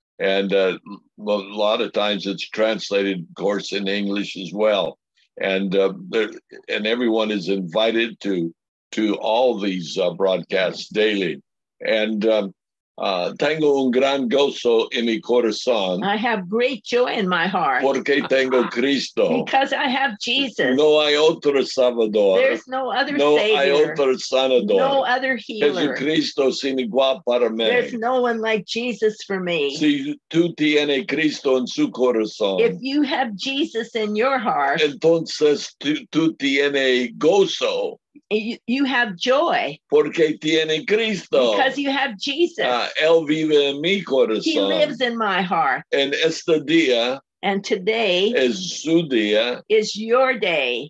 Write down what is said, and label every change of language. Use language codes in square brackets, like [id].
[en] And a lot of times it's translated, of course, in English as well. And everyone is invited to all these broadcasts daily. [es] And tengo un gran gozo en mi corazón. [en] I have great joy in my heart. [es] Porque tengo Cristo. [en] Because I have Jesus. [es] No hay otro Salvador. [en] There's no other no Savior. [es] No hay otro Sanador. [en] No other healer. [es] Jesucristo sin igual para mí. [en] There's no one like Jesus for me. [es] Si tú tienes Cristo en su corazón. [en] If you have Jesus in your heart. [es] Entonces tú tienes gozo. [en] You have joy. [es] Porque tiene Cristo. [en] Because you have Jesus. [es] Él vive en mi corazón. [en] He lives in my heart. [es] En este día. [en] And today. [es] Es su día. [en] Is your day.